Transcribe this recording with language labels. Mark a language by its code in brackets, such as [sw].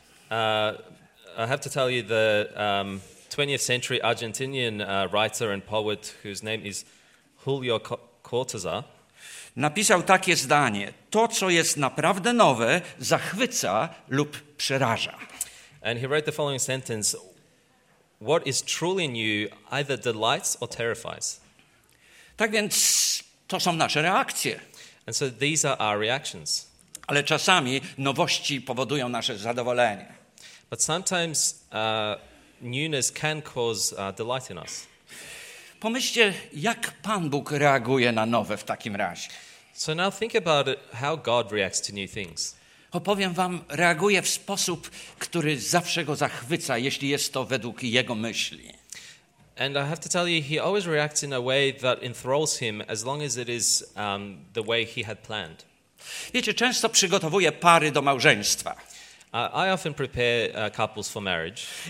[en] I have to tell you the 20th century Argentinian writer and poet whose name is Julio Cortazar [pl] napisał takie zdanie: to, co jest naprawdę nowe, zachwyca lub przeraża. [en] And he wrote the following sentence: what is truly new either delights or terrifies. [pl] Tak więc to są nasze reakcje. [en] And so these are our reactions. [pl] Ale czasami nowości powodują nasze zadowolenie. [en] But sometimes newness can cause delight in us. [pl] Pomyślcie, jak Pan Bóg reaguje na nowe w takim razie. [en] So now think about it, how God reacts to new things. [pl] Opowiem wam, reaguje w sposób, który zawsze go zachwyca, jeśli jest to według jego myśli. [en] And I have to tell you, he always reacts in a way that enthralls him, as long as it is the way he had planned. [pl] Wiecie, często przygotowuję pary do małżeństwa. [en] I often prepare couples for marriage.